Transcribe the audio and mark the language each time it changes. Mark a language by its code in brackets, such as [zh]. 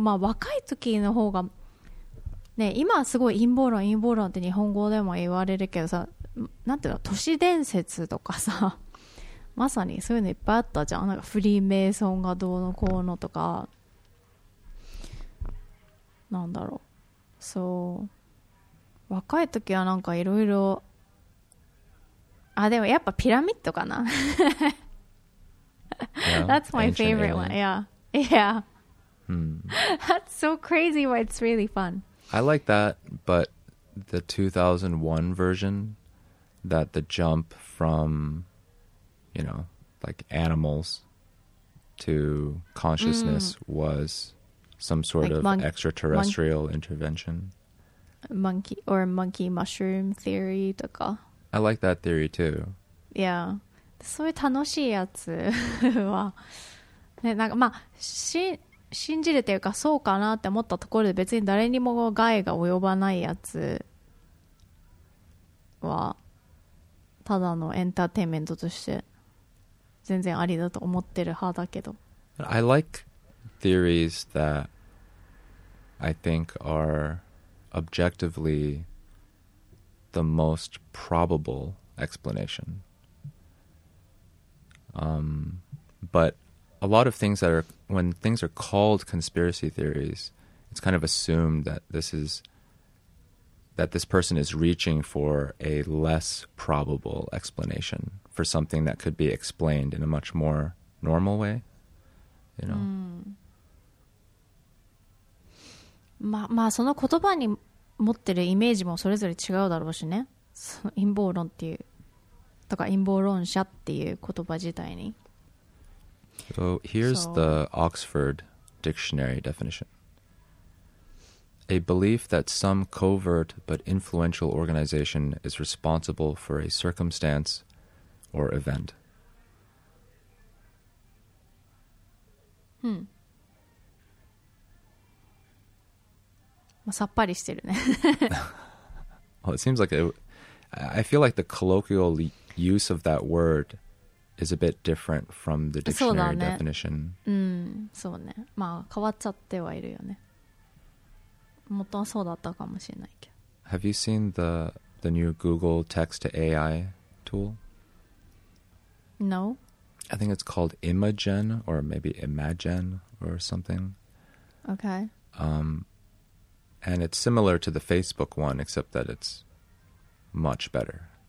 [ja] まあ若い時の方がね、今はすごい陰謀論って日本語でも言われるけどさ、なんていうの、都市伝説とかさ、まさにそういうのいっぱいあったじゃん、なんかフリーメイソンがどうのこうのとか、なんだろう、そう、若い時はなんかいろいろ、あ、でもやっぱピラミッドかな。 [en] yeah, That's my favorite one. Yeah, yeah.、That's so crazy, but it's really fun. I like that, but the 2001 version. That the jump from, you know, like animals to consciousness、was some sort like of extraterrestrial intervention. Monkey mushroom theory [ja] とか。 [en] I like that theory too. Yeah. [ja] そういう楽しいやつは、ね、なんかまあ、信じれてるかそうかなって思ったところで別に誰にも害が及ばないやつはただのエンターテインメントとして全然ありだと思ってる派だけど。 [en] I like theories that I think are objectively the most probable explanation. But a lot of things that are, when things are called conspiracy theories, it's kind of assumed that this is, that this person is reaching for a less probable explanation for something that could be explained in a much more normal way, you know? [ja] まあその言葉に持ってるイメージもそれぞれ違うだろうしね。その陰謀論っていうとか陰謀論者っていう言葉自体に。 [en] So here's the Oxford Dictionary definition. A belief that some covert but influential organization is responsible for a circumstance or event. [ja] まあ、さっぱりしてるね。 [en] Well, it seems like I feel like the colloquial use of that word is a bit different from the dictionary definition. [ja] そうね。まあ変わっちゃってはいるよね。元はそうだったかもしれないけど。 [en] Have you seen the new Google text to AI tool? No. I think it's called Imagen or maybe Imagen or something. Okay. And it's similar to the Facebook one, except that it's much better.